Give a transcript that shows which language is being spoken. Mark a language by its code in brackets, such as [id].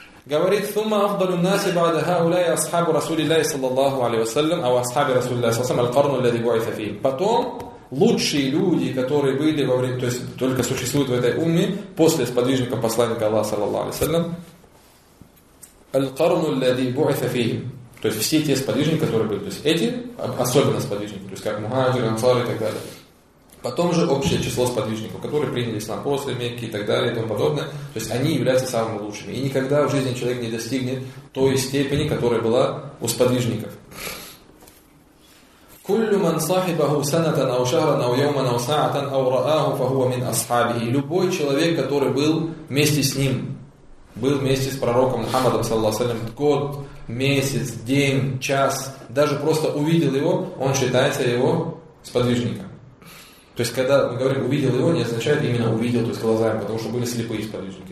[ru] говорит, [ar] ثم أفضل الناس بعد هؤلاء أصحاب رسول الله صلى الله عليه وسلم أو أصحاب رسول الله صلى الله عليه وسلم القرن الذي بعث فيه. [ru] Потом лучшие люди, которые были во время, то есть только существуют в этой умме после сподвижника посланника Аллаха [ar] صلى الله عليه وسلم. القرن الذي بعث فيه. [ru] То есть все те сподвижники, которые были, то есть эти особенно сподвижники, то есть как мухаджиры, ансары и так далее. Потом же общее число сподвижников, которые приняли ислам после Мекки и так далее и тому подобное. То есть они являются самыми лучшими. И никогда в жизни человек не достигнет той степени, которая была у сподвижников. [ar] كل من صاحبه سنة أو شهرا أو يوما أو ساعة أو رآه فهو من أصحابه. [ru] Любой человек, который был вместе с ним, был вместе с пророком Мухаммадом саллаллаху алейхи ва саллям, год, месяц, день, час, даже просто увидел его, он считается его сподвижником. То есть, когда мы говорим «увидел его», не означает именно «увидел», то есть глазами, потому что были слепые сподвижники.